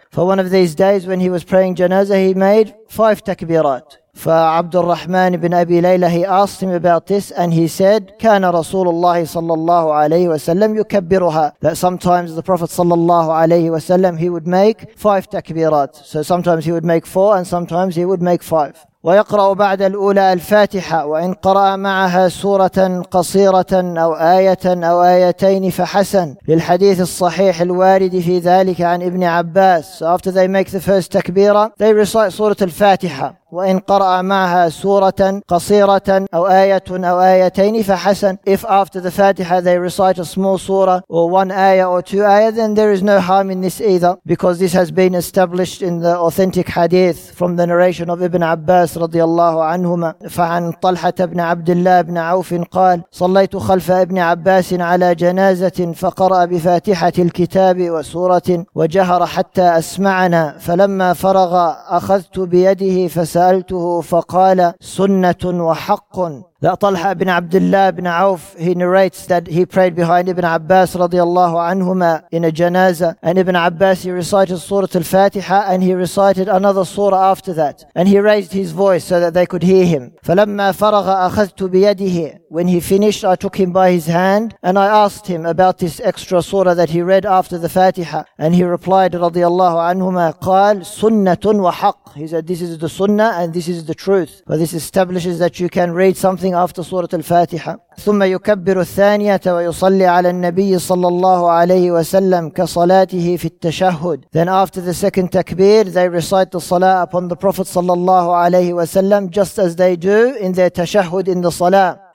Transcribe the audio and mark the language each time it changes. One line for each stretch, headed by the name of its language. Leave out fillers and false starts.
English: For one of these days when he was praying Janazah, he made five takbirat. فعبد الرحمن بن أبي ليلى, he asked him about this, and he said
Arabic: كان رسول الله صلى الله عليه وسلم يكبرها,
English: that sometimes the Prophet صلى الله عليه وسلم, he would make five takbirat. So sometimes he would make four and sometimes he would make five.
Arabic: ويقرأ بعد الأولى الفاتحة وإن قرأ معها سورة قصيرة أو آية أو آيتين فحسن, للحديث الصحيح الوارد في ذلك عن ابن عباس.
English: So after they make the first تكبيرة, they recite سورة الفاتحة.
Arabic: وإن قرأ معها سورة قصيرة أو آية أو آيتين فحسن.
English: If after the فاتحة they recite a small surah or one ayah or two ayah, then there is no harm in this either, because this has been established in the authentic hadith from the narration of Ibn Abbas رضي الله عنهما.
Arabic: فعن طلحة بن عبد الله بن عوف قال صليت خلف ابن عباس على جنازة فقرأ بفاتحة الكتاب وسورة وجهر حتى أسمعنا, فلما فرغ أخذت بيده فس سألته فقال سنة وحق.
English: That Talha ibn Abdullah ibn Auf, he narrates that he prayed behind Ibn Abbas radiallahu anhuma in a janaza, and Ibn Abbas, he recited Surah Al-Fatiha, and he recited another surah after that, and he raised his voice so that they could hear him.
Arabic: فَلَمَّا فَرَغَ أَخَذْتُ بِيَدِهِ,
English: when he finished, I took him by his hand and I asked him about this extra surah that he read after the Fatiha, and he replied radiallahu anhuma
Arabic: قال سُنَّةٌ وحق.
English: He said this is the sunnah and this is the truth, but this establishes that you can read something after Surah Al-Fatiha.
Arabic: ثم يكبر الثانية ويصلي على النبي صلى الله عليه وسلم كصلاته في التشهد.
English: Then after the second takbir, they recite the salah upon the Prophet صلى الله عليه وسلم, just as they do in their tashahud in the salah.